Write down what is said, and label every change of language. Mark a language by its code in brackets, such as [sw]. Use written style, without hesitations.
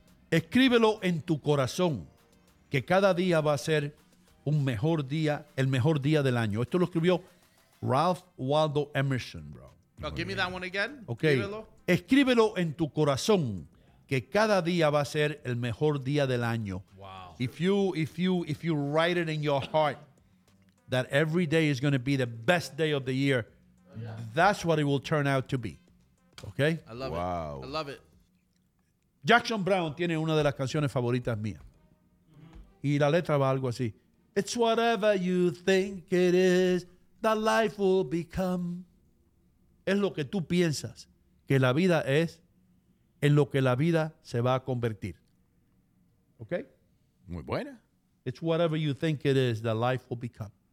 [es] Escríbelo en tu corazón, que cada día va a ser un mejor día, el mejor día del año. Esto lo escribió Ralph Waldo Emerson, bro. [en] No, give me that one again. Okay. [es] Escríbelo en tu corazón, que cada día va a ser el mejor día del año. [en] Wow. If you write it in your heart that every day is going to be the best day of the year, that's what it will turn out to be. Okay? I love it. Wow. I love it. [es] Jackson Brown tiene una de las canciones favoritas mías. Y la letra va algo así. [en] It's whatever you think it is, that life will become. [es] Es lo que tú piensas que la vida es, en lo que la vida se va a convertir. ¿Ok? Muy buena. [en] It's whatever you think it is, that life will become.